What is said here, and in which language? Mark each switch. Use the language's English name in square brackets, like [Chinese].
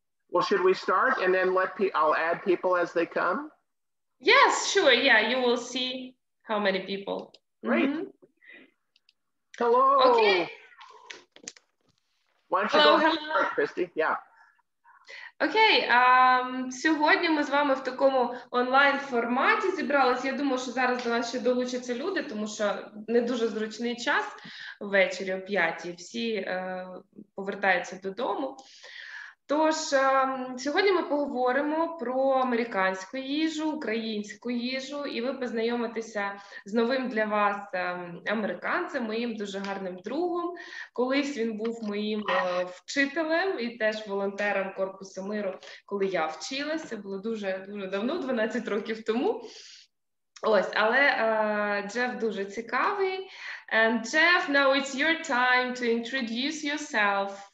[English] Well, should we start and then let I'll add people as they come? Yes, sure. Yeah, you will see how many people. Great. Mm-hmm. Hello. Okay. Why don't you go ahead and start, Christy? Yeah. [Ukrainian] Окей, сьогодні ми з вами в такому онлайн форматі зібралися. Я думаю, що зараз до нас ще долучаться люди, тому що не дуже зручний час ввечері о 5:00, всі повертаються додому. Тож, сьогодні ми поговоримо про американську їжу, українську їжу, і ви познайомитеся з новим для вас американцем, моїм дуже гарним другом. Колись він був моїм вчителем і теж волонтером Корпусу миру, коли я вчилася. Було дуже-дуже давно, 12 років тому. Ось, але Джеф дуже цікавий. [English] And Jeff, now it's your time to introduce yourself.